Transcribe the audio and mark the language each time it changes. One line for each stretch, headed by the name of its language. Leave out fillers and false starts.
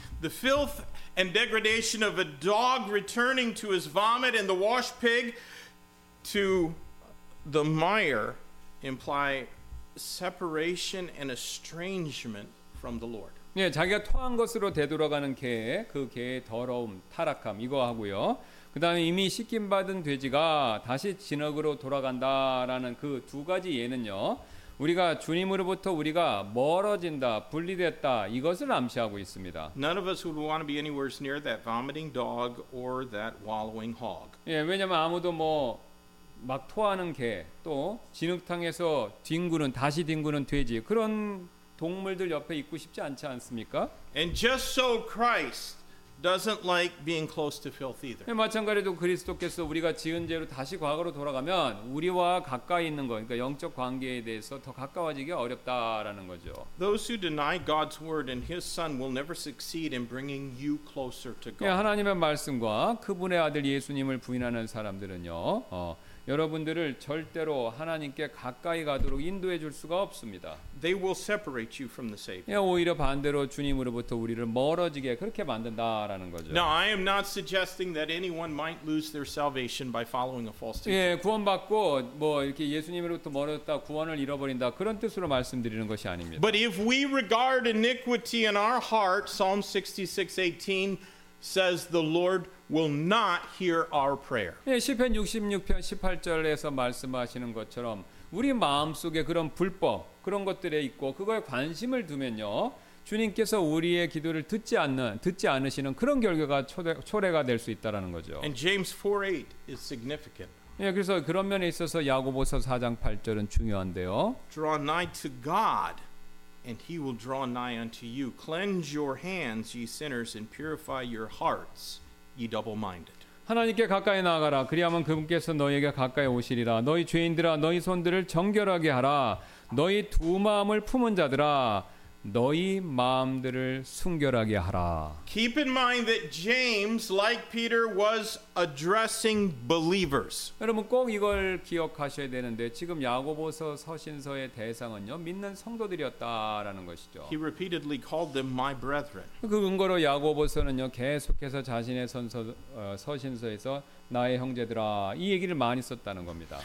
English: The filth and degradation of a dog returning to his vomit and the washed pig to the mire imply separation and estrangement from the Lord.
Korean: 예, 자기가 토한 것으로 되돌아가는 개의 그 개의 더러움, 타락함 이거 하고요. 그 다음에 이미 씻김 받은 돼지가 다시 진흙으로 돌아간다라는 그 두 가지 예는요. 우리가 주님으로부터 우리가 멀어진다, 분리됐다 이것을 암시하고 있습니다.
English: None of us would want to be anywhere near that vomiting dog or that wallowing hog.
Korean: 예, 왜냐면 아무도 뭐 막 토하는 개, 또 진흙탕에서 뒹구는 다시 뒹구는 돼지 그런 동물들 옆에 있고 싶지 않지 않습니까?
English: And just so Christ, doesn't like being close to filth either.
Korean: 마찬가지로 그리스도께서 우리가 지은 죄로 다시 과거로 돌아가면 우리와 가까이 있는 거, 그러니까 영적 관계에 대해서 더 가까워지기 어렵다라는 거죠.
English: Those who deny God's word and His Son will never succeed in bringing you closer to God.
Korean: 하나님의 말씀과 그분의 아들 예수님을 부인하는 사람들은요, 여러분들을 절대로 하나님께 가까이 가도록 인도해 줄 수가 없습니다.
English: They will separate you from the Savior.
Korean: 오히려 반대로 주님으로부터 우리를 멀어지게 그렇게 만든다라는 거죠.
English: Now, I am not suggesting that anyone might lose their salvation by following a false teacher.
Korean: 예, 구원받고 뭐 이렇게 예수님으로부터 멀어졌다 구원을 잃어버린다 그런 뜻으로 말씀드리는 것이 아닙니다.
English: But if we regard iniquity in our heart, Psalm 66:18 says the Lord will not hear our prayer.
Korean: 시편 66편 18절에서 말씀하시는 것처럼 우리 마음속에 그런 불법 그런 것들에 있고 그거에 관심을 두면요. 주님께서 우리의 기도를 듣지 않으시는 그런 결과가 초래가 될 수 있다라는 거죠.
English: And James 4:8 is significant.
Korean: 그래서 그런 면에 있어서 야고보서 4장 8절은 중요한데요.
English: Draw nigh to God and he will draw nigh unto you. Cleanse your hands, ye sinners, and purify your hearts, ye double-minded.
Korean: 하나님께 가까이 나아가라. 그리하면 그분께서 너희에게 가까이 오시리라. 너희 죄인들아, 너희 손들을 정결하게 하라. 너희 두 마음을 품은 자들아, 너희 마음들을 순결하게 하라.
English: Keep in mind that James, like Peter, was addressing believers.
Korean: 여러분 꼭 이걸 기억하셔야 되는데 지금 야고보서 서신서의 대상은요 믿는 성도들이었다라는 것이죠.
English: He repeatedly called them my brethren.
Korean: 그 근거로 야고보서는요 계속해서 자신의 서신서에서 나의 형제들아 이 얘기를 많이 썼다는 겁니다.